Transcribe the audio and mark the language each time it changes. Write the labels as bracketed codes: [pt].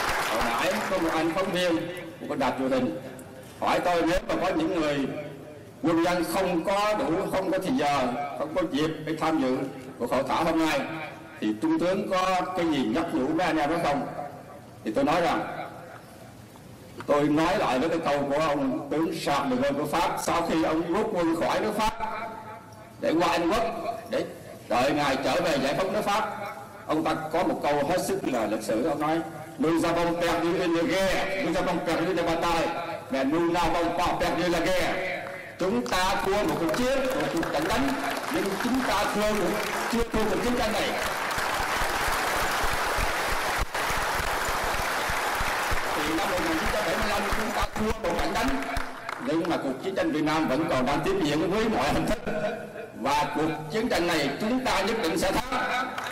[vi] Hồi nãy có một anh phóng viên của con đài truyền hình hỏi tôi, nếu mà có những người quân nhân không có đủ, không có thời giờ, không có dịp để tham dự cuộc hội thảo hôm nay, thì Trung tướng có cái gì nhắc nhủ mấy anh em đó không? Thì tôi nói rằng, tôi nói lại với cái câu của ông tướng Charles de Gaulle của Pháp, sau khi ông rút quân khỏi nước Pháp để qua Anh Quốc, để đợi ngài trở về giải phóng nước Pháp, ông ta có một câu hết sức là lịch sử. Ông nói: [fr] Nous avons perdu une guerre, nous avons perdu une bataille, mais nous n'avons pas perdu la guerre. [vi] Chúng ta thua một cuộc chiến, một cuộc trận đánh, nhưng chúng ta thua được, chưa thua cuộc chiến tranh này. Thì năm 1975 chúng ta thua một trận đánh, nhưng mà cuộc chiến tranh Việt Nam vẫn còn đang tiếp diễn với mọi hình thức, và cuộc chiến tranh này chúng ta nhất định sẽ thắng.